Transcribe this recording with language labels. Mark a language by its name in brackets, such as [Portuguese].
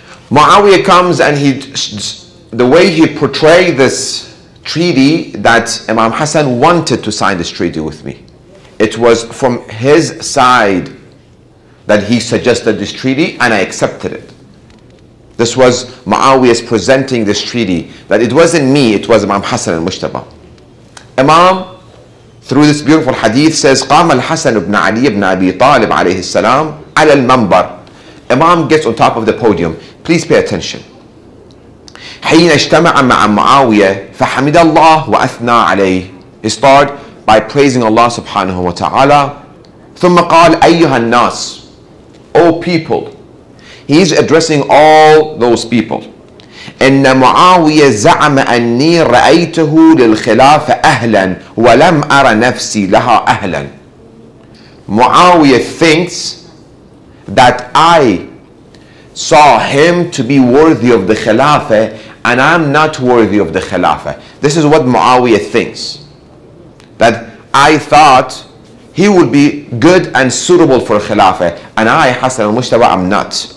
[English] Muawiyah comes, and the way he portrayed this treaty, that Imam Hassan wanted to sign this treaty with me. It was from his side that he suggested this treaty, and I accepted it. This was Muawiyah presenting this treaty, that it wasn't me, it was Imam Hassan al-Mushtaba. Imam, through this beautiful hadith, says, [Arabic] قام الحسن بن علي بن أبي طالب عليه السلام [English] على المنبر. Imam gets on top of the podium. Please pay attention. [Arabic] حين اجتمع مع معاوية فحمد الله وأثنى عليه. [English] He started by praising Allah subhanahu wa ta'ala. [Arabic] ثم قال أيها الناس. [English] O people, he's addressing all those people. [Arabic] إن معاوية زعم أني رأيته للخلافة أهلا ولم أرى نفسي لها أهلا. [English] معاوية thinks that I saw him to be worthy of the Khilafah and I'm not worthy of the Khilafah. This is what Muawiyah thinks. That I thought he would be good and suitable for Khilafah and I, Hassan al-Mushtaba, I'm not.